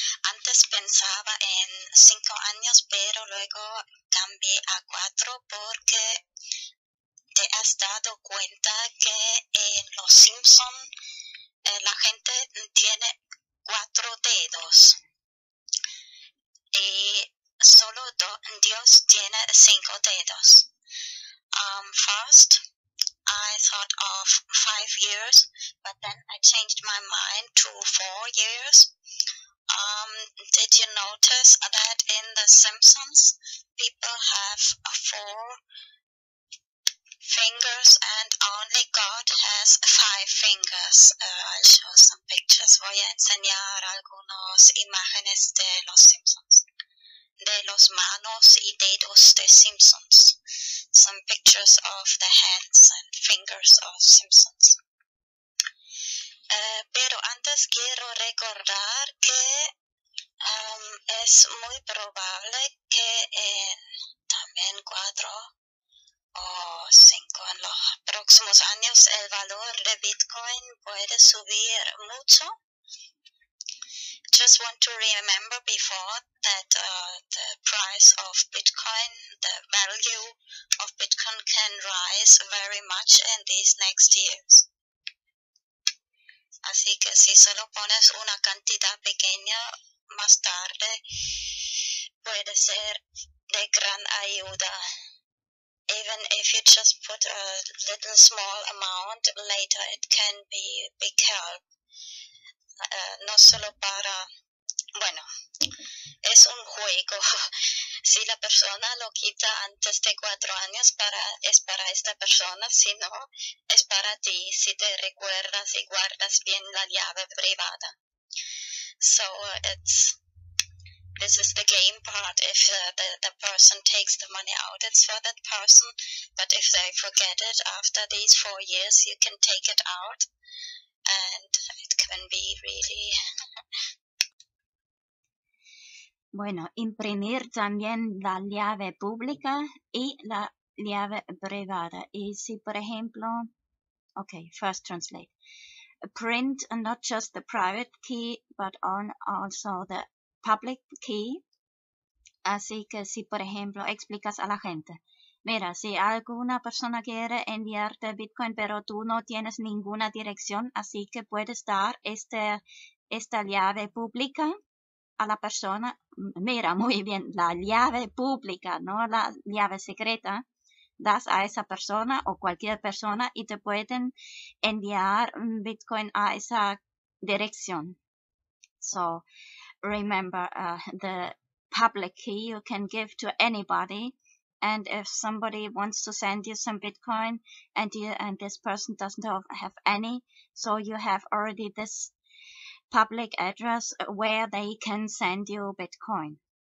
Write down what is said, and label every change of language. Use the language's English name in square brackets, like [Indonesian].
[Spanish] Antes pensaba en 5 años, pero luego cambié a 4 porque te has dado cuenta que en Los Simpsons la gente tiene 4 dedos y solo Dios tiene 5 dedos. [English] First, I thought of 5 years, but then I changed my mind to 4 years. Did you notice that in The Simpsons, people have 4 fingers and only God has 5 fingers? I'll show some pictures. [Spanish] Voy a enseñar algunas imágenes de Los Simpsons, de los manos y dedos de Simpsons. [English] Some pictures of the hands and fingers of Simpsons. [Spanish] Pero antes quiero recordar que es muy probable que en también 4 o 5 en los próximos años el valor de Bitcoin puede subir mucho. [English] Just want to remember before that the price of Bitcoin, the value of Bitcoin can rise very much in these next years. [Spanish] Así que si solo pones una cantidad pequeña, más tarde puede ser de gran ayuda. [English] Even if you just put a little small amount, later it can be big help. [Spanish] No solo para, bueno, es un juego. Si la persona lo quita antes de 4 años, es para esta persona. Si no, es para ti, si te recuerdas y guardas bien la llave privada. [English] So this is the game part. If the person takes the money out, it's for that person. But if they forget it after these 4 years, you can take it out. And it can be really... [Spanish] Bueno, imprimir también la llave pública y la llave privada. Y si, por ejemplo... [English] Okay, first translate. Print not just the private key, but on also the public key. [Spanish] Así que si, por ejemplo, explicas a la gente. Mira, si alguna persona quiere enviarte Bitcoin, pero tú no tienes ninguna dirección, así que puedes dar esta llave pública a la persona. Mira, muy bien, la llave pública, no la llave secreta. Das a esa persona o cualquier persona y te pueden enviar Bitcoin a esa dirección. [English] So, remember, the public key you can give to anybody. And if somebody wants to send you some Bitcoin and this person doesn't have any, so you have already this public address where they can send you Bitcoin.